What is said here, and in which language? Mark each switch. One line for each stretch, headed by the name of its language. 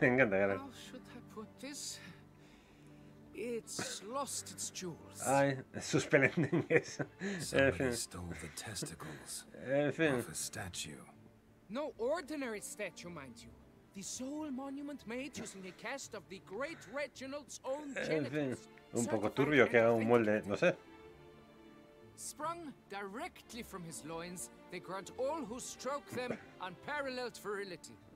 English: How should I put this? It's lost its jewels.
Spanish: Ay, sus pelendengues.
English: Somebody stole the testicles off a statue. No ordinary statue, mind you. The sole monument made using a cast of the great Reginald's own genitals.
Spanish: Un poco turbio que haga un molde, no sé.
English: Sprung directly from his loins, they grant all who stroke them unparalleled virility.